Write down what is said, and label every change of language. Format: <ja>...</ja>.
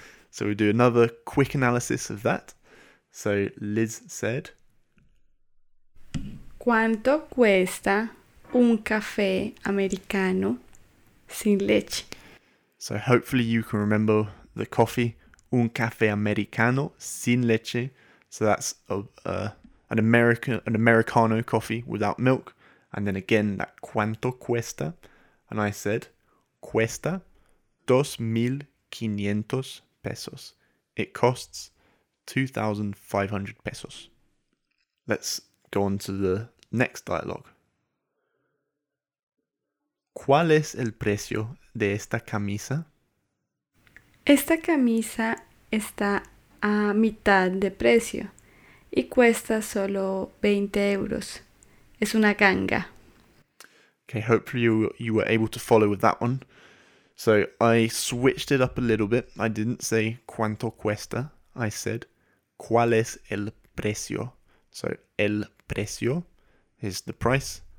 <en>So we do another quick analysis of that. So Liz said,</en> <es>¿cuánto cuesta un café americano sin leche?</es> <en>So hopefully you can remember the coffee.</en> <es>Un café americano sin leche.</es> <en>So that's an Americano coffee without milk. And then again, that</en> <es>cuánto cuesta?</es> <en>And I said,</en> <es>cuesta 2,500 pesos.</es> <en>It costs 2,500 pesos. Let's go on to the next dialogue.</en> <es>¿Cuál es el precio de esta camisa? Esta camisa está a mitad de precio y cuesta solo 20 euros. Es una ganga.</es> <en>Okay, hopefully you were able to follow with that one. So I switched it up a little bit. I didn't say</en> <es>cuánto cuesta.</es> <en>I said</en> <es>¿cuál es el precio?</es> <en>So</en> <es>el precio</es> <en>is the price.</en>